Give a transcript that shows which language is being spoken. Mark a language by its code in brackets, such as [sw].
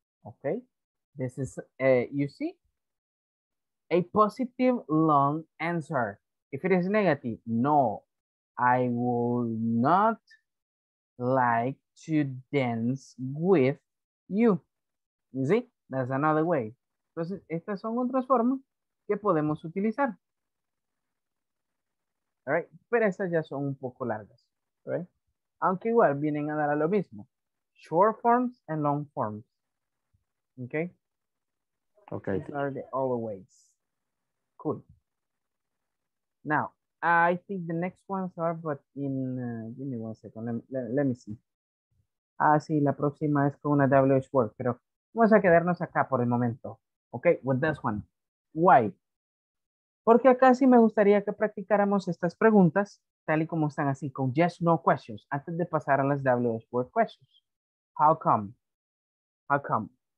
[en] Okay, this is, you see, a positive long answer. If it is negative, no, I would not like to dance with you. You see, that's another way. [es] Entonces, estas son otras formas que podemos utilizar. [en] All right. [es] Pero esas ya son un poco largas, right? Aunque igual vienen a dar a lo mismo. [en] Short forms and long forms. Okay? Okay. These are the other ways. Cool. Now, I think the next ones are, but in, give me one second, let me see. [es] Ah, sí, la próxima es con una WH word, pero vamos a quedarnos acá por el momento. [en] Okay, with this one. Why? [es] Porque acá sí me gustaría que practicáramos estas preguntas, tal y como están así, con yes, no questions, antes de pasar a las WH word questions. [en] How come? How come?